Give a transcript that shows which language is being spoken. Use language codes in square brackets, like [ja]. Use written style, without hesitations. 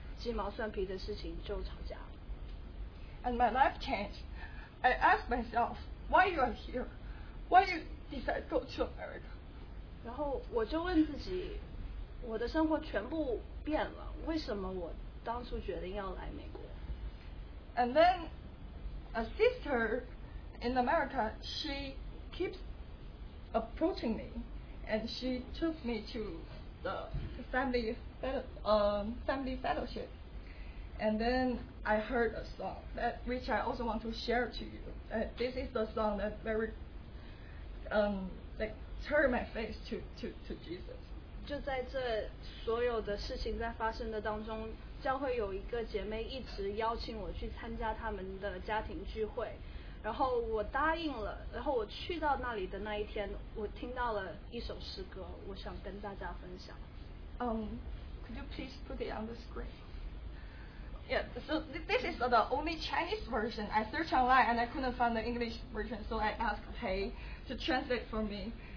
[zh] 鸡毛蒜皮的事情就吵架。 [en] And my life changed. I asked myself, why you are here? Why you decide go to America? [zh] 然后我就问自己，我的生活全部变了，为什么我当初决定要来美国？ [en] And then a sister in America, she keeps approaching me, and she took me to the family fellowship, and then I heard a song that which I also want to share to you. This is the song that very like turned my face to Jesus. [zh] 就在这所有的事情在发生的当中，教会有一个姐妹一直邀请我去参加他们的家庭聚会，然后我答应了。然后我去到那里的那一天，我听到了一首诗歌，我想跟大家分享。 [en] Could you please put it on the screen? Yeah, so this is the only Chinese version. I searched online and I couldn't find the English version, so I asked Hei to translate for me.